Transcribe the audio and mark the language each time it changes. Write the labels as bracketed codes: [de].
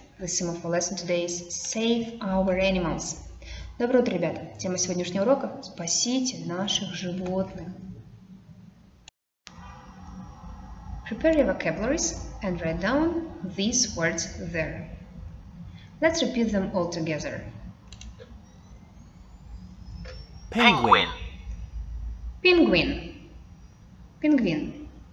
[en] The theme of our lesson today is Save Our Animals. [ru] Доброе утро, ребята. Тема сегодняшнего урока – Спасите наших животных. [en] Prepare your vocabularies and write down these words there. Let's repeat them all together. Penguin. Penguin. Penguin.